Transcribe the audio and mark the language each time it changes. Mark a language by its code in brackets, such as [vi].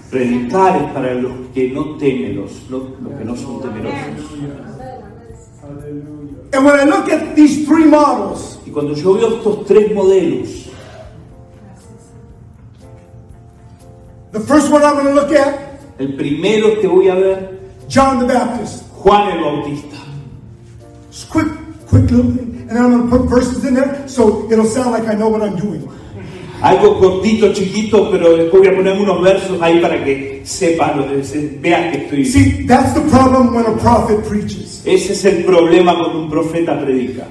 [es] Predicar es para los que no temen, los que no son temerosos. Hallelujah. [en] And when I look at these three models, [es] y cuando yo veo estos tres modelos, [en] the first one I'm going to look at, [es] el primero que voy a ver, [en] John the Baptist, [es] Juan el Bautista. [en] Just quick little thing. And I'm going to put verses in there so it'll sound like I know what I'm doing. [es] Algo cortito, chiquito, pero después voy a poner unos versos ahí para que sepa lo que se vea que estoy. [en] See, that's the problem when a prophet preaches. [es] Ese es el problema cuando un profeta predica.